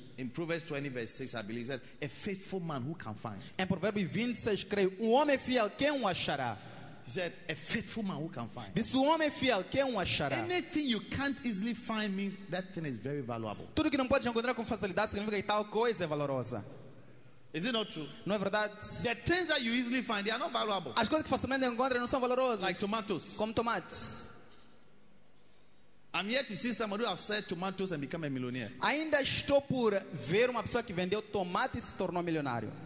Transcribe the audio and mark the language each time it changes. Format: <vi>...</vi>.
<en>In Proverbs 20 verse 6, I believe that a faithful man who can find.</en> <pt>Em Provérbios 20:6 creio, um homem fiel quem o achará?</pt> <en>He said, a faithful man who can find.</en> <pt>Disse o homem fiel, quem o achará?</pt> <en>Anything you can't easily find means that thing is very valuable.</en> <pt>Tudo que não pode encontrar com facilidade significa que tal coisa é valorosa.</pt> <en>Is it not true?</en> <pt>Não é verdade?</pt> <en>The things that you easily find, they are not valuable.</en> <pt>As coisas que facilmente encontram não são valorosas.</pt> <en>Like tomatoes.</en> <pt>Como tomates.</pt> <en>I'm yet to see somebody who has sold tomatoes and become a millionaire.</en> <pt>Ainda estou por ver uma pessoa que vendeu tomates e se tornou milionário.</pt>